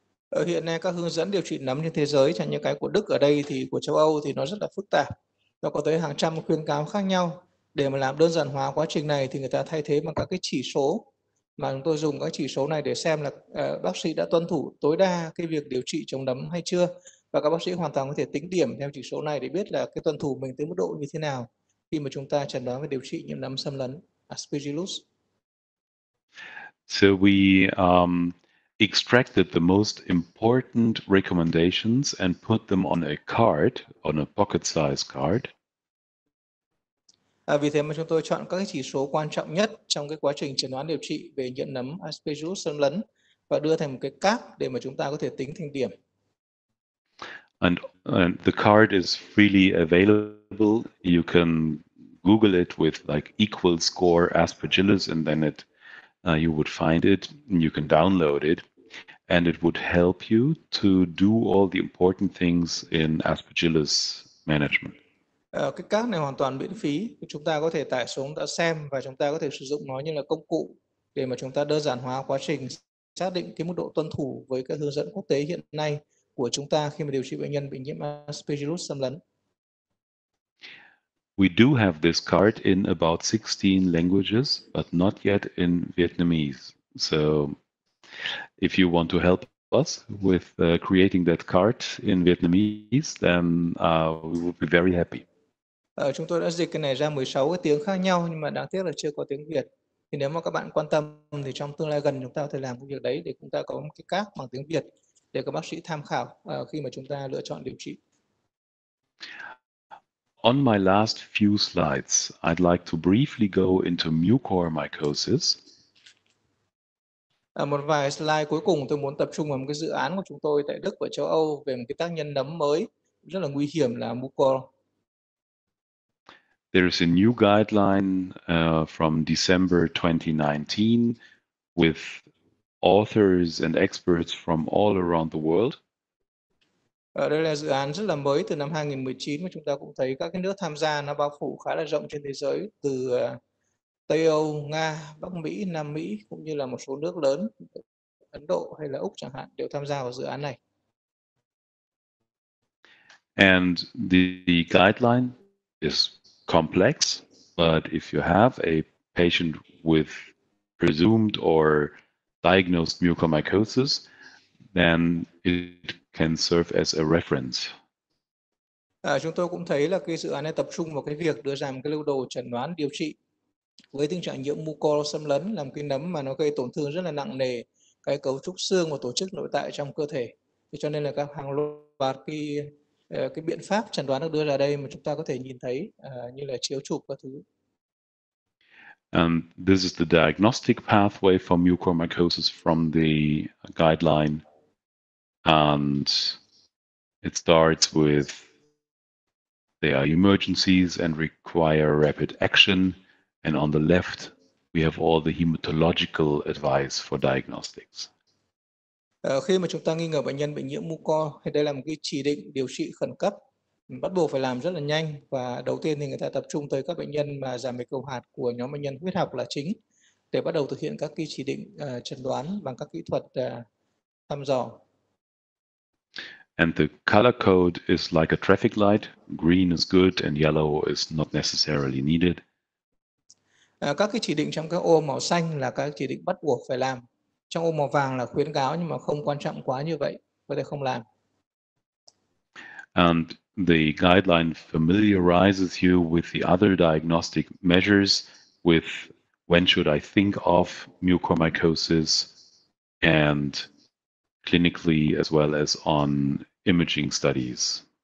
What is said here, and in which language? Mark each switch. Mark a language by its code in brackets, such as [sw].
[vi] Ở hiện nay các hướng dẫn điều trị nấm trên thế giới, chẳng như cái của Đức ở đây thì của châu Âu thì nó rất là phức tạp. Nó có tới hàng trăm khuyến cáo khác nhau. Để mà làm đơn giản hóa quá trình này thì người ta thay thế bằng các cái chỉ số. Mà chúng tôi dùng các chỉ số này để xem là bác sĩ đã tuân thủ tối đa cái việc điều trị chống nấm hay chưa. Và các bác sĩ hoàn toàn có thể tính điểm theo chỉ số này để biết là cái tuân thủ mình tới mức độ như thế nào khi mà chúng ta chẩn đoán và điều trị nhiễm nấm xâm lấn Aspergillus. [en] So we extracted the most important recommendations and put them on a card, on a pocket size card. [vi] Vì thế mà chúng tôi chọn các chỉ số quan trọng nhất trong cái quá trình chẩn đoán điều trị về nhiễm nấm Aspergillus xâm lấn và đưa thành một cái card để mà chúng ta có thể tính thành điểm. [en] And the card is freely available. You can Google it with like equal score Aspergillus and then it you would find it and you can download it and it would help you to do all the important things in Aspergillus management. [vi] Cái card này hoàn toàn miễn phí, chúng ta có thể tải xuống ta xem và chúng ta có thể sử dụng nó như là công cụ để mà chúng ta đơn giản hóa quá trình xác định cái mức độ tuân thủ với các hướng dẫn quốc tế hiện nay của chúng ta khi mà điều trị bệnh nhân bị nhiễm Aspergillus xâm lấn. [en] We do have this card in about 16 languages, but not yet in Vietnamese. So if you want to help us with creating that card in Vietnamese, then we would be very happy. [vi] Chúng tôi đã dịch cái này ra 16 cái tiếng khác nhau, nhưng mà đáng tiếc là chưa có tiếng Việt. Thì nếu mà các bạn quan tâm, thì trong tương lai gần chúng ta có thể làm cái việc đấy để chúng ta có một cái card bằng tiếng Việt để các bác sĩ tham khảo khi mà chúng ta lựa chọn điều trị. [en] On my last few slides, I'd like to briefly go into mucormycosis. [vi] Một vài slide cuối cùng tôi muốn tập trung vào một cái dự án của chúng tôi tại Đức và châu Âu về một cái tác nhân nấm mới rất là nguy hiểm là mucor. [en] There is a new guideline from December 2019 with authors and experts from all around the world. [vi] Đây là dự án rất là mới từ năm 2019 mà chúng ta cũng thấy các cái nước tham gia nó bao phủ khá là rộng trên thế giới từ Tây Âu, Nga, Bắc Mỹ, Nam Mỹ cũng như là một số nước lớn Ấn Độ hay là Úc chẳng hạn đều tham gia vào dự án này. [en] And the guideline is complex, but if you have a patient with presumed or diagnosed mucormycosis, then it can serve as a reference. [vi] Chúng tôi cũng thấy là cái dự án này tập trung vào cái việc đưa ra một cái lưu đồ chẩn đoán điều trị với tình trạng nhiễm mucor xâm lấn làm cái nấm mà nó gây tổn thương rất là nặng nề cái cấu trúc xương và tổ chức nội tại trong cơ thể. Thì cho nên là các hàng loạt cái biện pháp chẩn đoán được đưa ra đây mà chúng ta có thể nhìn thấy như là chiếu chụp các thứ. [en] And this is the diagnostic pathway for mucormycosis from the guideline. And it starts with there are emergencies and require rapid action. And on the left, we have all the hematological advice for diagnostics. [vi] Khi mà chúng ta nghi ngờ bệnh nhân bị nhiễm mucor thì đây là một cái chỉ định điều trị khẩn cấp bắt buộc phải làm rất là nhanh và đầu tiên thì người ta tập trung tới các bệnh nhân mà giảm bề cầu hạt của nhóm bệnh nhân huyết học là chính để bắt đầu thực hiện các cái chỉ định chẩn đoán bằng các kỹ thuật thăm dò. [en] And the color code is like a traffic light. Green is good and yellow is not necessarily needed. [vi] Các cái chỉ định trong các ô màu xanh là các chỉ định bắt buộc phải làm Trong ô màu vàng là khuyến cáo nhưng mà không quan trọng quá như vậy, có thể không làm. [en] And the guideline familiarizes you with the other diagnostic measures, with when should I think of mucormycosis, and clinically as well as on imaging studies.